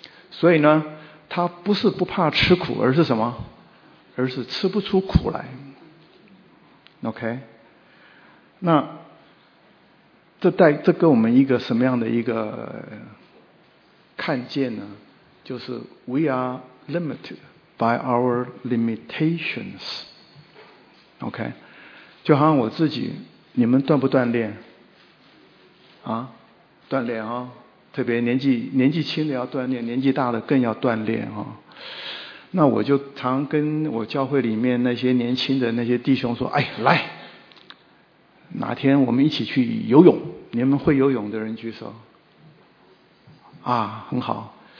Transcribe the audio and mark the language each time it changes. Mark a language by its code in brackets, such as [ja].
[zh] 所以呢他不是不怕吃苦，而是什么？而是吃不出苦来。OK， 那这跟我们一个什么样的一个看见呢？ [en] 就是 We are limited by our limitations。 [zh] OK， 就好像我自己，你们锻不锻炼啊？锻炼啊，特别年纪轻的要锻炼，年纪大的更要锻炼啊。那我就常跟我教会里面那些年轻的那些弟兄说，哎，来，哪天我们一起去游泳，你们会游泳的人举手啊，很好。